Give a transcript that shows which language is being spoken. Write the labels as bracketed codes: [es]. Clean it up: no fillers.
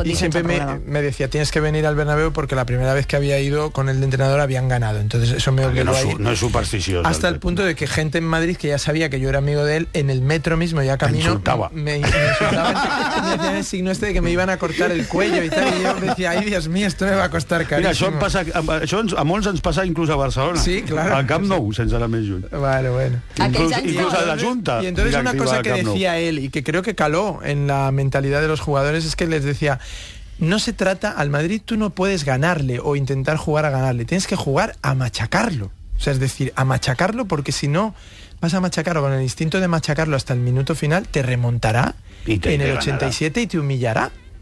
[es] Y siempre me decía, tienes que venir al Bernabéu, porque la primera vez que había ido con el entrenador habían ganado. Entonces eso me obligó a ir. No es supersticioso. Hasta el punto de que gente en Madrid, que ya sabía que yo era amigo de él, en el metro mismo, ya camino... Me insultaba. Me hacían el signo este de que me iban a cortar el cuello y tal. Y yo decía, ay, Dios mío, esto me va a costar carísimo. [ca] Mira, això a molts ens passa inclús a Barcelona. [es] Sí, claro. [ca] Al Camp Nou, sense anar més lluny. [es] Bueno. Incluso a la Junta. Y entonces una cosa que decía él, y que creo que caló en la mentalidad de los jugadores, es que les decía, no se trata, al Madrid tú no puedes ganarle o intentar jugar a ganarle, tienes que jugar a machacarlo. O sea, es decir, a machacarlo, porque si no vas a machacarlo con el instinto de machacarlo hasta el minuto final, te remontará en el 87 y te humillará.